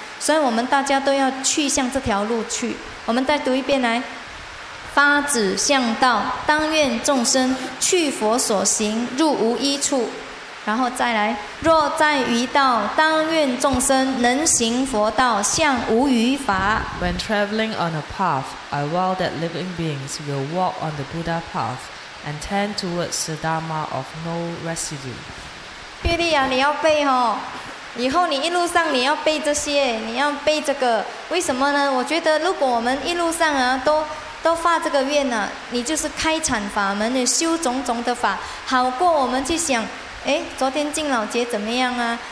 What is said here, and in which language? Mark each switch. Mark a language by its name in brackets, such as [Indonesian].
[Chinese] 所以我们大家都要去向这条路去。我们再读一遍来，发指向道，当愿众生去佛所行，入无依处。然后再来，若在于道，当愿众生能行佛道，向无余法。 [English] When traveling on a path, I vow that living beings will walk on the Buddha path. And tend towards the Dharma of no residue. [Chinese] 玉丽啊，你要背哦，以后你一路上你要背这些，你要背这个。为什么呢？我觉得如果我们一路上啊，都发这个愿啊，你就是开禅法门，你修种种的法，好过我们去想，哎，昨天敬老节怎么样啊？